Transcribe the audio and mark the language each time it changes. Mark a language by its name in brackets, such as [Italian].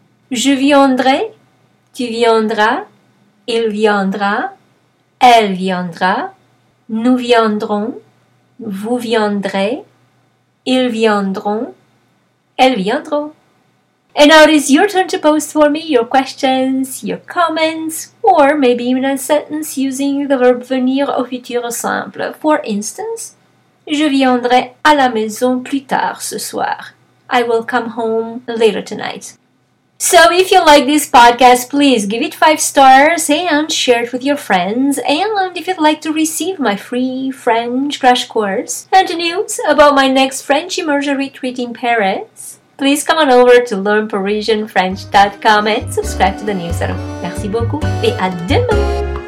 [French] Je viendrai, tu viendras, il viendra, elle viendra. Nous viendrons, vous viendrez, ils viendront, elles viendront. [English] And now it is your turn to post for me your questions, your comments, or maybe even a sentence using the verb [French] venir au futur simple. [English] For instance, [French] je viendrai à la maison plus tard ce soir. [English] I will come home later tonight. So if you like this podcast, please give it 5 stars and share it with your friends. And if you'd like to receive my free French crash course and news about my next French immersion retreat in Paris, please come on over to learnparisianfrench.com and subscribe to the newsletter. [French] Merci beaucoup et à demain!